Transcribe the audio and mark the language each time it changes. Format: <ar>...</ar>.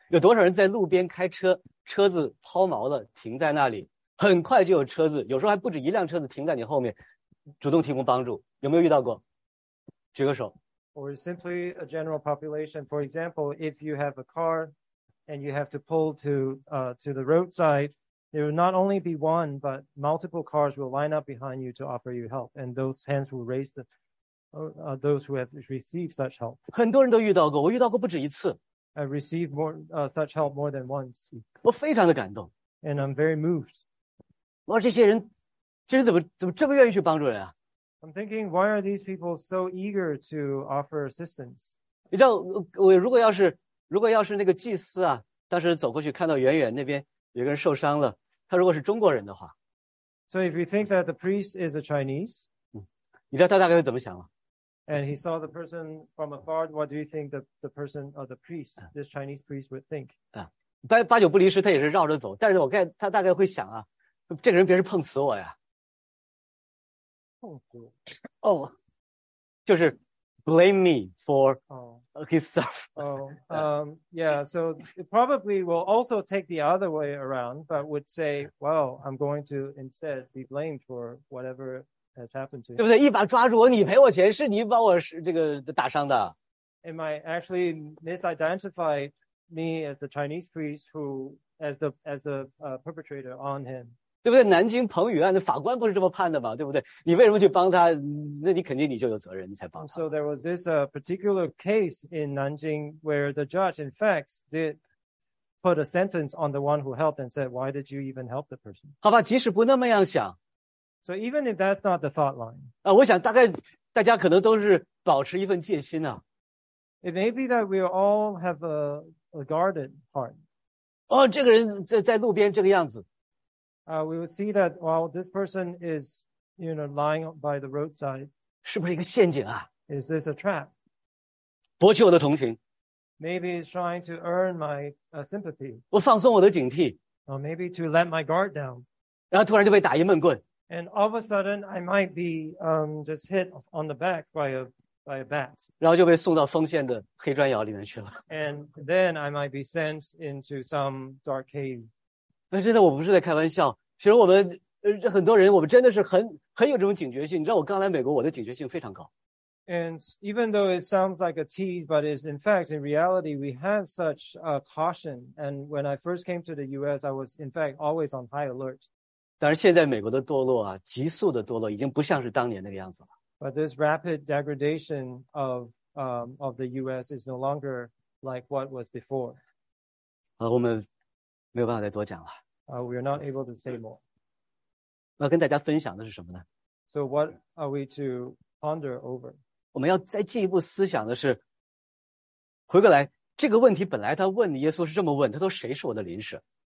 <zh>有多少人在路边开车，车子抛锚了，停在那里，很快就有车子，有时候还不止一辆车子停在你后面，主动提供帮助，有没有遇到过？举个手。</zh> <en>Or simply a general population. For example, if you have a car and you have to pull to the roadside, There will not only be one, but multiple cars will line up behind you to offer you help, and those hands will raise the, those who have received such help.</en> <zh>很多人都遇到过, 我遇到过不止一次。</zh> <en>I received more, such help more than once.</en> <zh>我非常的感动。</zh> <en>And I'm very moved.</en> <zh>哇,这些人怎么这么愿意去帮助人啊?</zh> <en>I'm thinking, why are these people so eager to offer assistance?</en> <zh>你知道,如果要是那个祭司啊, 当时走过去看到远远那边, 有个人受伤了,他如果是中国人的话,</zh> <en>So if you think that the priest is a Chinese,</en> <zh>你知道他大概会怎么想吗?</zh> <en>And he saw the person from afar, what do you think the person or the priest, this Chinese priest would think?</en> <zh>八九不离十,他也是绕着走, 但是我看他大概会想啊, 这个人别是碰死我呀。痛苦。</zh> <en>Oh,</en> <zh>就是</zh> <en>blame me for his stuff. Yeah, so it probably will also take the other way around, but would say, well, I'm going to instead be blamed for whatever has happened to you.</en> <zh>对不对? 一把抓住我, 你赔我钱, 是你把我, 这个打伤的。</zh> <en>Am I actually misidentified me as the Chinese priest who, as the perpetrator on him?</en> <zh>对不对? 南京彭宇案的法官不是这么判的吗?对不对?你为什么去帮他?那你肯定你就有责任, 你才帮他。</zh> <en>So there was this particular case in Nanjing where the judge, in fact, did put a sentence on the one who helped and said, why did you even help the person?</en> <zh>好吧, 即使不那么样想,</zh> <en>So even if that's not the thought line,</en> <zh>我想大概大家可能都是保持一份戒心啊。</zh> <en>It may be that we all have a guarded heart.</en> <zh>哦,这个人在路边这个样子。</zh> <en>We will see that while this person is, you know, lying by the roadside.</en> <zh>是不是一个陷阱啊?</zh> <en>Is this a trap?</en> <zh>博取我的同情。</zh> <en>Maybe it's trying to earn my sympathy.</en> <zh>我放松我的警惕。</zh> <en>Or maybe to let my guard down.</en> <zh>然后突然就被打一闷棍。</zh> <en>And all of a sudden, I might be, just hit on the back by a bat.</en> <zh>然后就被送到锋线的黑砖窑里面去了。</zh> <en>And then I might be sent into some dark cave.</en> <zh>真的我不是在开玩笑,其实我们很多人我们真的是很有这种警觉性,你知道我刚来美国我的警觉性非常高。</zh> <en>And even though it sounds like a tease, but it's in fact, in reality, we have such a caution. And when I first came to the US, I was in fact always on high alert.</en> <zh>但是现在美国的堕落啊,急速的堕落已经不像是当年那个样子了。</zh> <en>But this rapid degradation of the US is no longer like what was before.</en> <zh>好,我们没有办法再多讲了。</zh> <en>We are not able to say more.</en> <zh>我要跟大家分享的是什么呢?</zh> <en>So what are we to ponder over?</en> <zh>我们要再进一步思想的是, 回过来, 这个问题本来他问耶稣是这么问, 他说谁是我的邻舍?</zh>